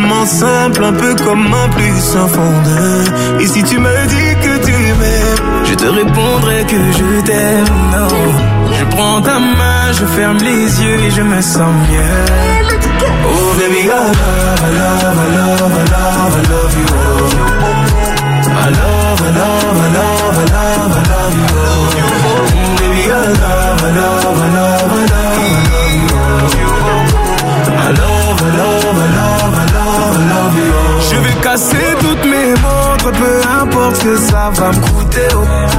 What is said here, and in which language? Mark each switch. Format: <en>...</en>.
<fr>Simple, un peu comme un plus un fond de. Et si tu me dis que tu m'aimes, je te répondrai que je t'aime. Oh. Je prends ta main, je ferme les yeux et je me sens mieux.</fr> <en>Oh baby, I love, I love, I love, I love, I love you. Oh. I love, I love, I love, I love, I love you. Oh. Baby, I love, I love, I love, I love, I love you. Oh. I love, I love, I love.</en> <fr>Je vais casser toutes mes montres, peu importe ce que ça va me coûter. Oh.</fr>